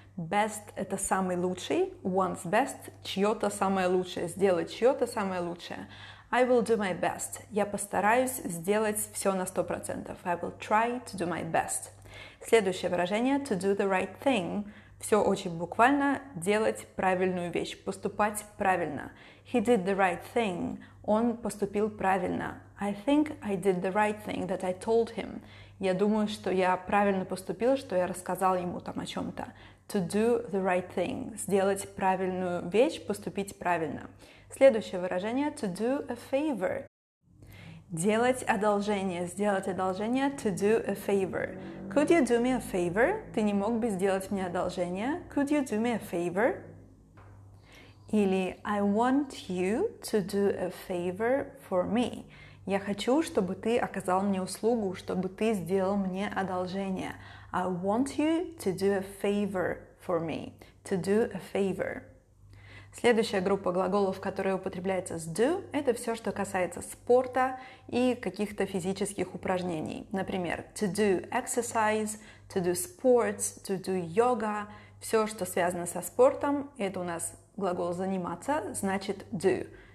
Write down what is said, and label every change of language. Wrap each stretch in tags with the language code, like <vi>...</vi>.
<ru>Best – это самый лучший,</ru> <en>one's best</en> <ru>– чье-то самое лучшее, сделать чье-то самое лучшее.</ru> <en>I will do my best.</en> <ru>Я постараюсь сделать все на 100%.</ru> <en>I will try to do my best.</en> <ru>Следующее выражение</ru> <en>– to do the right thing.</en> <ru>Все очень буквально – делать правильную вещь, поступать правильно.</ru> <en>He did the right thing.</en> <ru>Он поступил правильно.</ru> <en>I think I did the right thing that I told him.</en> <ru>Я думаю, что я правильно поступил, что я рассказал ему там о чем-то.</ru> <en>To do the right thing.</en> <ru>Сделать правильную вещь, поступить правильно. Следующее выражение –</ru> <en>to do a favor.</en> <ru>Делать одолжение. Сделать одолжение</ru> <en>– to do a favor. Could you do me a favor?</en> <ru>Ты не мог бы сделать мне одолжение?</ru> <en>Could you do me a favor? Или I want you to do a favor for me.</en> <ru>Я хочу, чтобы ты оказал мне услугу, чтобы ты сделал мне одолжение.</ru> <en>I want you to do a favor for me. To do a favor.</en> <ru>Следующая группа глаголов, которая употребляется с do, это все, что касается спорта и каких-то физических упражнений.</ru> <en>Например, to do exercise, to do sports, to do yoga.</en> <ru>Все, что связано со спортом, это у нас глагол заниматься, значит do.</ru>